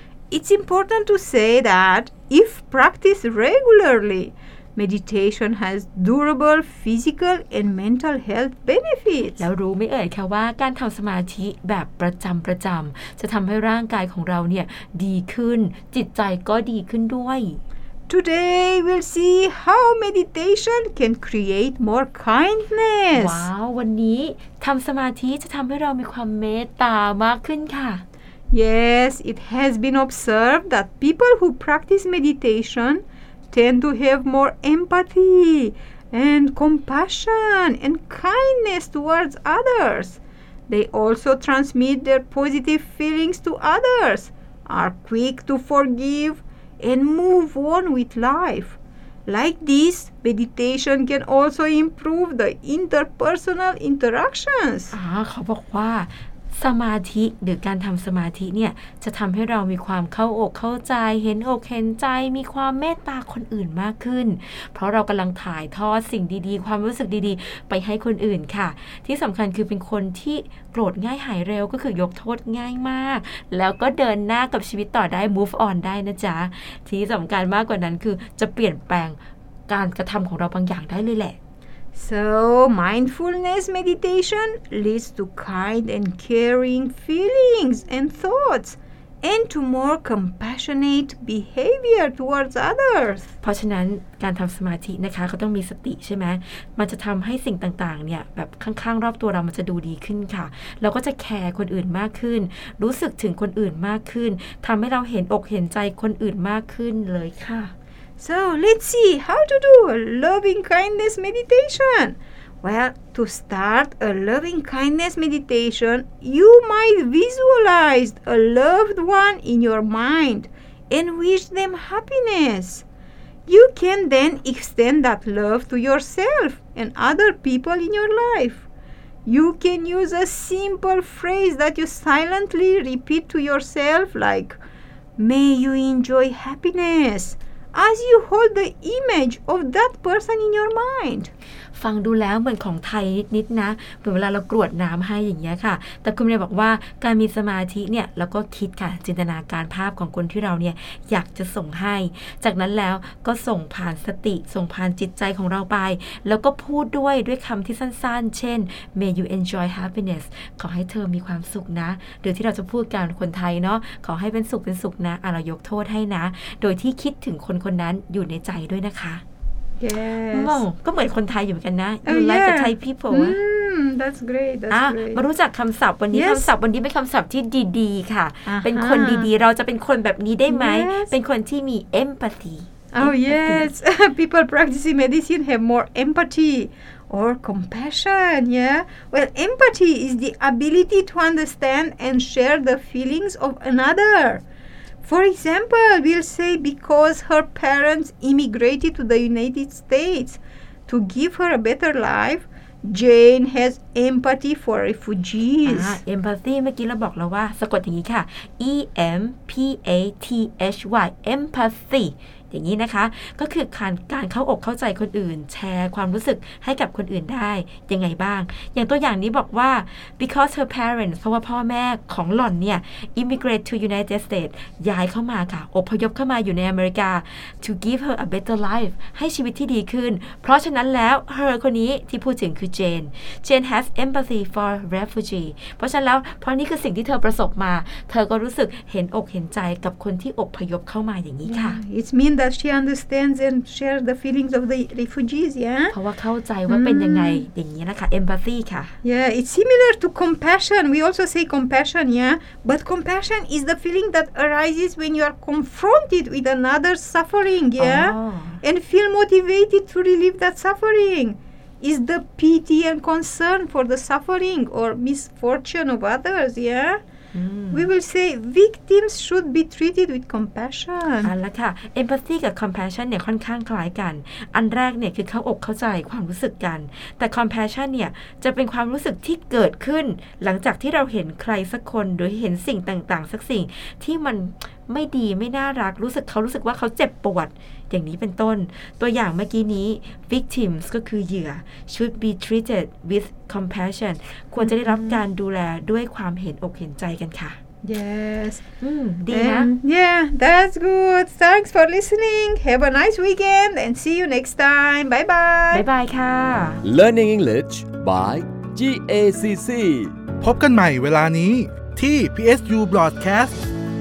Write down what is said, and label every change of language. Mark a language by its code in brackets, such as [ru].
[en] It's important to say that if practiced regularlyMeditation has durable physical and mental health benefits. [th] แล้วรู้ไม่เอ่ยคะว่าการทำสมาธิแบบประจำจะทำให้ร่างกายของเราเนี่ยดีขึ้นจิตใจก็ดีขึ้นด้วย [en] Today we'll see how meditation can create more kindness. [th] ว้าววันนี้ทำสมาธิจะทำให้เรามีความเมตตามากขึ้นค่ะ [en] Yes, it has been observed that people who practice meditationTend to have more empathy and compassion and kindness towards others. They also transmit their positive feelings to others, are quick to forgive, and move on with life. Like this, meditation can also improve the interpersonal interactions. [th] เขาบอกว่าสมาธิหรือการทำสมาธิเนี่ยจะทำให้เรามีความเข้าอกเข้าใจเห็นอกเห็นใจมีความเมตตาคนอื่นมากขึ้นเพราะเรากำลังถ่ายทอดสิ่งดีๆความรู้สึกดีๆไปให้คนอื่นค่ะที่สำคัญคือเป็นคนที่โกรธง่ายหายเร็วก็คือยกโทษง่ายมากแล้วก็เดินหน้ากับชีวิตต่อได้ move on ได้นะจ๊ะที่สำคัญมากกว่านั้นคือจะเปลี่ยนแปลงการกระทำของเราบางอย่างได้เลยแหละ [en] So, mindfulness meditation leads to kind and caring feelings and thoughts and to more compassionate behavior towards others. [th] เพราะฉะนั้นการทำสมาธินะคะก็ต้องมีสติใช่ไหมมันจะทำให้สิ่งต่างๆเนี่ยแบบข้างๆรอบตัวเรามันจะดูดีขึ้นค่ะเราก็จะแคร์คนอื่นมากขึ้นรู้สึกถึงคนอื่นมากขึ้นทำให้เราเห็นอกเห็นใจคนอื่นมากขึ้นเลยค่ะ [en] So, let's see how to do a loving-kindness meditation. Well, to start a loving-kindness meditation, you might visualize a loved one in your mind and wish them happiness. You can then extend that love to yourself and other people in your life. You can use a simple phrase that you silently repeat to yourself like, May you enjoy happiness. As you hold the image of that person in your mind. [th] ฟังดูแล้วเหมือนของไทยนิดๆนะเหมือนเวลาเรากรวดน้ำให้อย่างเงี้ยค่ะแต่คุณเนี่ยบอกว่าการมีสมาธิเนี่ยแล้วก็คิดค่ะจินตนาการภาพของคนที่เราเนี่ยอยากจะส่งให้จากนั้นแล้วก็ส่งผ่านสติส่งผ่านจิตใจของเราไปแล้วก็พูดด้วยคำที่สั้นๆเช่น [en] May you enjoy happiness [th] ขอให้เธอมีความสุขนะหรือที่เราจะพูดกันคนไทยเนาะขอให้เป็นสุขนะเรายกโทษให้นะโดยที่คิดถึงคนคนนั้นอยู่ในใจด้วยนะคะ [en] Yes. [th] Wow, ก็เหมือนคนไทยอยู่กันนะ [en] You like the Thai people That's great. That's great. [th] มารู้จักคำศัพท์วันนี้ [en] Yes. [th] คำศัพท์วันนี้เป็นคำศัพท์ที่ดีๆค่ะ เป็นคนดีๆเราจะเป็นคนแบบนี้ได้ไหม [en] Yes. [th] เป็นคนที่มี empathy [en] Oh empathy. Yes. People practicing medicine have more empathy or compassion. Yeah. Well, empathy is the ability to understand and share the feelings of another. For example, we'll say because her parents immigrated to the United States to give her a better life, Jane has empathy for refugees. [th] Empathy, เมื่อกี้เราบอกแล้วว่าสะกดอย่างนี้ค่ะ E-M-P-A-T-H-Y, empathy. อย่างนี้นะคะก็คือการเข้าอกเข้าใจคนอื่นแชร์ความรู้สึกให้กับคนอื่นได้ยังไงบ้างอย่างตัวอย่างนี้บอกว่า [en] because her parents [th] เพราะว่าพ่อแม่ของหล่อนเนี่ย [en] immigrate to United States [th] ย้ายเข้ามาค่ะอพยพเข้ามาอยู่ในอเมริกา [en] to give her a better life [th] ให้ชีวิตที่ดีขึ้นเพราะฉะนั้นแล้ว her คนนี้ที่พูดถึงคือ [en] Jane has empathy for refugee [th] เพราะฉะนั้นแล้วเพราะนี่คือสิ่งที่เธอประสบมาเธอก็รู้สึกเห็นอกเห็นใจกับคนที่อพยพเข้ามาอย่างนี้ค่ะ [en] it's meanThat she understands and shares the feelings of the refugees, yeah. [th] เพราะว่าเข้าใจว่าเป็นยังไงอย่างนี้นะคะ empathy ค่ะ [en] Yeah, it's similar to compassion. We also say compassion, yeah. But compassion is the feeling that arises when you are confronted with another's suffering, yeah, and feel motivated to relieve that suffering. is the pity and concern for the suffering or misfortune of others. Yeah. We will say victims should be treated with compassion. [th] อันละค่ะ empathy กับ compassion เนี่ยค่อนข้างคล้ายกันอันแรกเนี่ยคือเข้าอกเข้าใจความรู้สึกกันแต่ compassion เนี่ยจะเป็นความรู้สึกที่เกิดขึ้นหลังจากที่เราเห็นใครสักคนหรือเห็นสิ่งต่างๆสักสิ่งที่มันไม่ดีไม่น่ารักรู้สึกเขารู้สึกว่าเขาเจ็บปวดอย่างนี้เป็นต้นตัวอย่างเมื่อกี้นี้ victims ก็คือเหยื่อ [en] should be treated with compassion [th] ควรจะได้รับการดูแลด้วยความเห็นอกเห็นใจกันค่ะ [en] yes [th] ดีนะ [en] yeah that's good thanks for listening have a nice weekend and see you next time bye bye bye bye ค่ะ learning English by GACC [th] พบกันใหม่เวลานี้ที่ PSU Broadcast